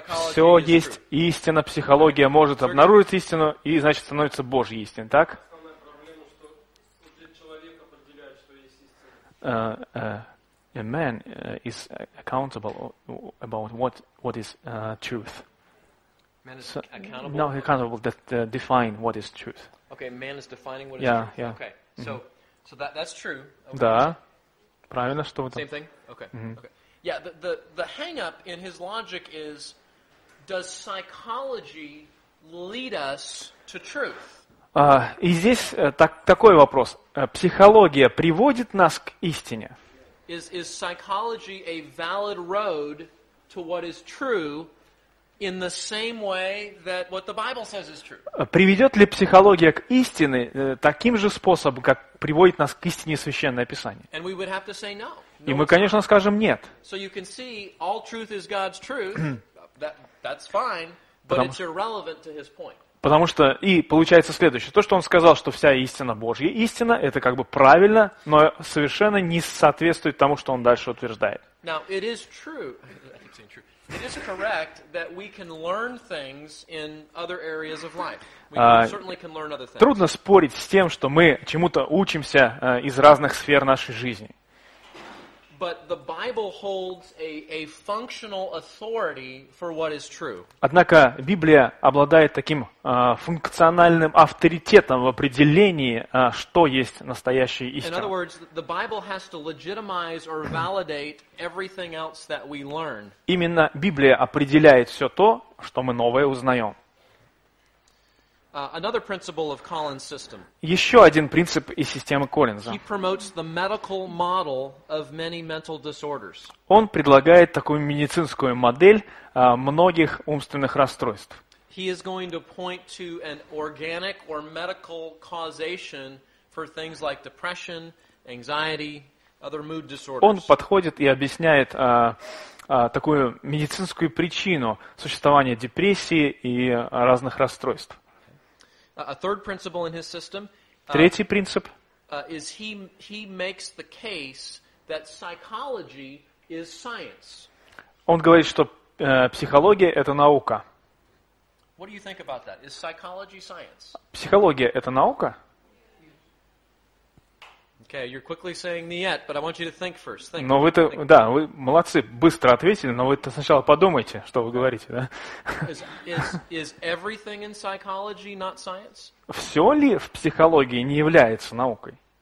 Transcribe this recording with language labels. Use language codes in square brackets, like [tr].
[ru] Все есть истина, психология может обнаружить истину, и значит становится Божьей истиной, так? [en] A man is accountable about what is truth. Man is accountable. No, he's accountable that define what is truth. Okay, man is defining what yeah, is truth. Yeah. Okay. So mm-hmm. so that's true. Okay. [ru] Да. Правильно, что вот. [en] Same thing. Okay. Mm-hmm. Okay. Yeah, the hang up in his logic is does psychology lead us to truth? [ru] И здесь такой вопрос. Психология приводит нас к истине? [en] Is psychology a valid road to what is true in the same way that what the Bible says is true? [ru] Приведет ли психология к истине таким же способом, как приводит нас к истине Священное Писание? [en] And we would have to say no. [ru] И мы, конечно, скажем нет. [en] So you can see all truth is God's truth. That's fine, but it's irrelevant to his point. [ru] Потому что, и получается следующее, то, что он сказал, что вся истина Божья истина, это как бы правильно, но совершенно не соответствует тому, что он дальше утверждает. [en] Now, it is true, I keep saying true, it is correct that we can learn things in other areas of life. We certainly can learn other things. [ru] Трудно спорить с тем, что мы чему-то учимся из разных сфер нашей жизни. [en] But the Bible holds a functional authority for what is true. [ru] Однако Библия обладает таким функциональным авторитетом в определении, что есть настоящая истина. [en] In other words, the Bible has to legitimize or validate everything else that we learn. [ru] Именно Библия определяет все то, что мы новое узнаем. [en] Another principle of Collins' system. [ru] Еще один принцип из системы Коллинза. [en] He promotes the medical model of many mental disorders. [ru] Он предлагает такую медицинскую модель многих умственных расстройств. [en] He is going to point to an organic or medical causation for things like depression, anxiety, other mood disorders. [ru] Он подходит и объясняет такую медицинскую причину существования депрессии и разных расстройств. [en] A third principle in his system. [ru] Третий принцип. [en] Is he makes the case that psychology is science. [ru] Он говорит, что психология это наука. [en] What do you think about that? Is psychology science? [ru] Психология это наука? [en] Okay, you're quickly saying [ru] нет, [en] but I want you to think first. Think. [ru] Но вы-то, да, вы молодцы, быстро ответили, но вы-то сначала подумайте, что вы говорите, да? [en] Is everything in psychology not science? [ru] Все ли в психологии не является наукой?